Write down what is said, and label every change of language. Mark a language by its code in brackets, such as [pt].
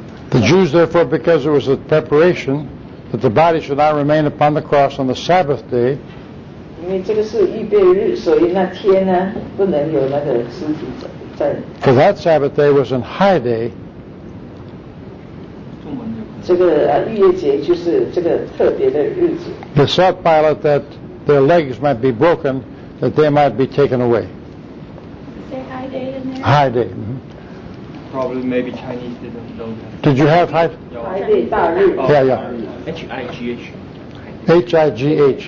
[en] The Jews, therefore, because it was the preparation that the body should not remain upon the cross on the Sabbath day. [zh] 因为这个是预备日，所以那天呢，不能有那个尸体在。 [en] For that Sabbath day was a high day. [zh] 这个逾越节就是这个特别的日子。 [en] Besought Pilate that their legs might be broken, that they might be taken away. Say high day in there. High day. probably maybe Chinese didn't know that. Did you have Hai? Hai Dei Da Ri. Yeah, yeah. H-I-G-H. H-I-G-H.